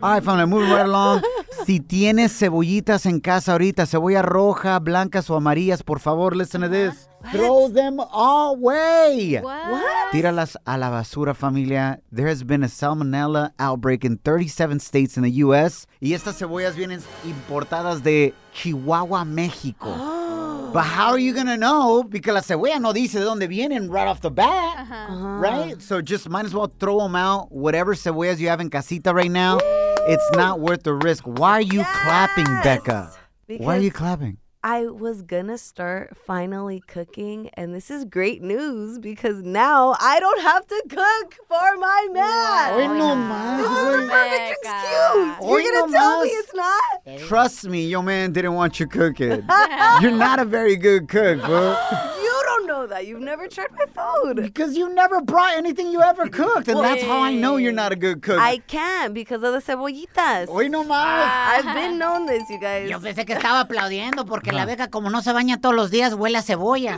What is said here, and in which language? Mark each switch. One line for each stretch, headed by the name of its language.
English: All right, family, moving right along.
Spanish: Si tienes cebollitas en casa ahorita, cebolla roja, blancas o amarillas, por favor,
English: listen to this. What? Throw them away. What?
Spanish: Tíralas a la basura, familia.
English: There has been a salmonella outbreak in 37 states in the U.S.
Spanish: Y estas cebollas vienen importadas de Chihuahua, México.
English: But how are you going to know? Because
Spanish: la cebolla no dice de dónde vienen
English: right off the bat, uh-huh. Right? So just might as well throw them out. Whatever cebollas you have in casita right now, woo! It's not worth the risk. Why are you clapping, Becca? Because why are you clapping? I was going to start finally cooking, and this is great news because now I don't have to cook for my man. Oh, no, man. This is the perfect excuse. You're going to tell me it's not? Trust me, your man didn't want you cooking. You're not a very good cook, bro. You don't know that. You've never tried my food. Because you never brought anything you ever cooked, and that's how I know you're not a good cook. I can't because of the cebollitas.
Spanish: Hoy no más.
English: I've been known this, you guys.
Spanish: Yo pensé que estaba aplaudiendo porque la beca, como no se baña todos los días, huele a cebolla.